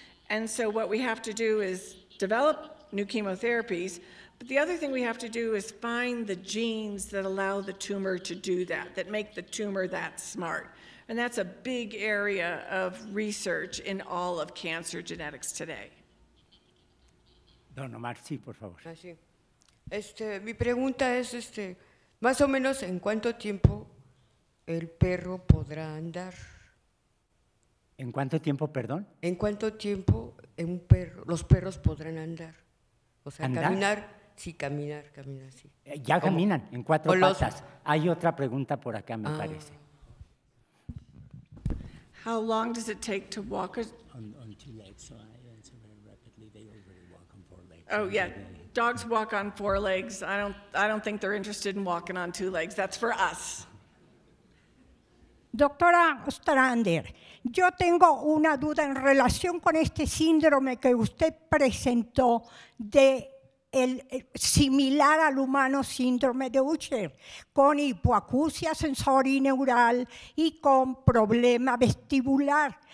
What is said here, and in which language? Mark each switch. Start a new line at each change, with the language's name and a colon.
English: And so what we have to do is develop new chemotherapies. But the other thing we have to do is find the genes that allow the tumor to do that, that make the tumor that smart. And that's a big area of research in all of cancer genetics today.
Spanish: Don Omar, sí, por favor. Así. Mi pregunta es, más o menos, ¿en cuánto tiempo el perro podrá andar? ¿En cuánto tiempo, perdón? ¿En cuánto tiempo los perros podrán andar? O sea, ¿andar? Caminar. Sí, caminar, sí. Ya caminan, ¿cómo? En cuatro patas. Hay otra pregunta por acá, me parece.
English: How long does it take to walk? On two legs, so I answer very rapidly. They already walk on four legs. Oh, yeah. Dogs walk on four legs. I don't think they're interested in walking on two legs. That's for us.
Spanish: Doctora Ostrander, yo tengo una duda en relación con este síndrome que usted presentó de el similar al humano síndrome de Usher, con hipoacusia sensorineural y con problema vestibular.